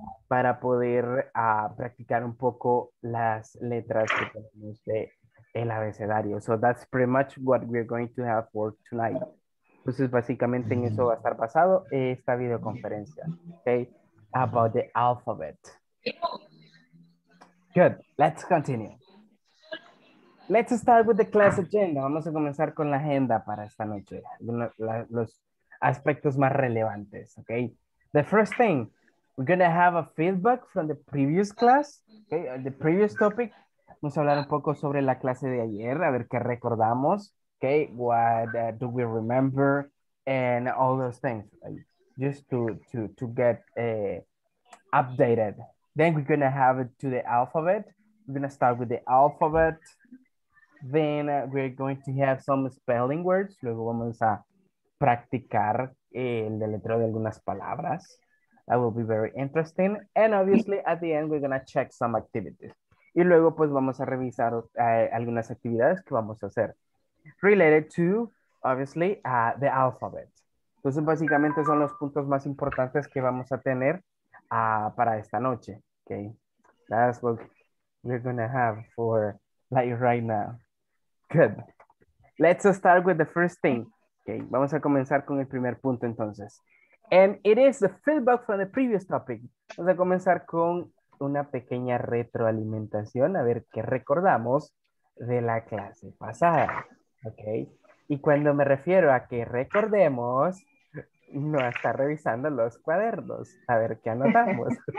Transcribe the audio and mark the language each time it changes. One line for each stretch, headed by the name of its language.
Spanish: Para poder practicar un poco las letras que tenemos de el abecedario.
English: So that's pretty much what we're going to have for tonight.
Spanish: Entonces, básicamente en eso va a estar basado esta videoconferencia, okay?
English: About the alphabet. Good, let's continue. Let's start with the class agenda.
Spanish: Vamos a comenzar con la agenda para esta noche. Los aspectos más relevantes, okay?
English: The first thing, we're going to have a feedback from the previous class, okay? The previous topic.
Spanish: Vamos a hablar un poco sobre la clase de ayer, a ver qué recordamos.
English: Okay, what do we remember and all those things, right? Just to get updated. Then we're gonna have it to the alphabet. We're gonna start with the alphabet. Then we're going to have some spelling words.
Spanish: Luego vamos a practicar el deletreo de algunas palabras.
English: That will be very interesting. And obviously at the end, we're gonna check some activities.
Spanish: Y luego pues vamos a revisar algunas actividades que vamos a hacer.
English: Related to, obviously, the alphabet.
Spanish: Entonces, básicamente son los puntos más importantes que vamos a tener para esta noche.
English: Okay, that's what we're going to have for like right now. Good. Let's start with the first thing.
Spanish: Okay, vamos a comenzar con el primer punto entonces.
English: And it is the feedback from the previous topic.
Spanish: Vamos a comenzar con una pequeña retroalimentación, a ver qué recordamos de la clase pasada. Okay, y cuando me refiero a que recordemos, no está revisando los cuadernos, a ver qué anotamos.